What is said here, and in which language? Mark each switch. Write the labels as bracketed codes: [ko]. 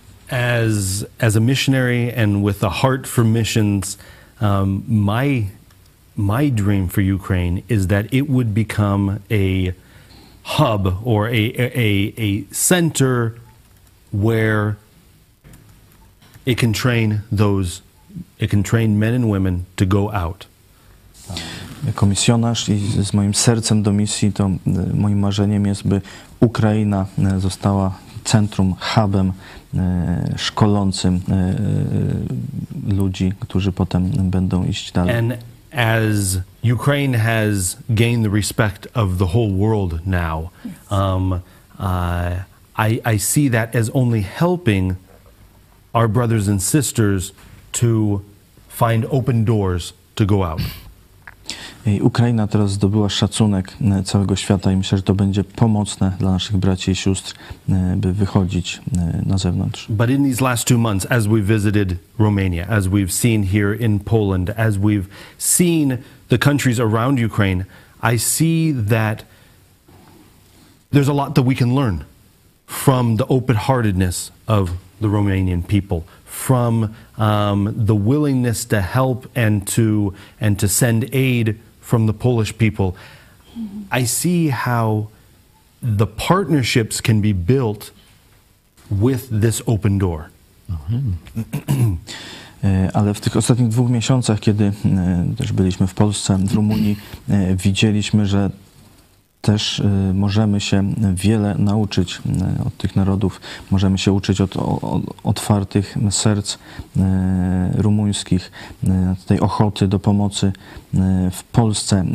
[en] As a missionary and with a heart for missions, my dream for Ukraine is that it would become a hub or a center where it can train those, it can train men and women to go out. [pl] Jako misjonarz i z moim sercem do misji, to moim marzeniem jest, by Ukraina została centrum, hubem szkolącym ludzi, którzy potem będą iść dalej. [en] And as Ukraine has gained the respect of the whole world now, I see that as only helping our brothers and sisters to find open doors to go out. [pl] I Ukraina teraz zdobyła szacunek całego świata i myślę, że to będzie pomocne dla naszych braci i sióstr, by wychodzić na zewnątrz. [en] But in these last two months, as we visited Romania, as we've seen here in Poland, as we've seen the countries around Ukraine, I see that there's a lot that we can learn from the open-heartedness of the Romanian people, from the willingness to help and to send aid from the Polish people. I see how the partnerships can be built with this open door. [pl] Ale w tych ostatnich dwóch miesiącach, kiedy też byliśmy w Polsce, w Rumunii, widzieliśmy, że też możemy się wiele nauczyć od tych narodów. Możemy się uczyć od otwartych serc rumuńskich, tej ochoty do pomocy w Polsce.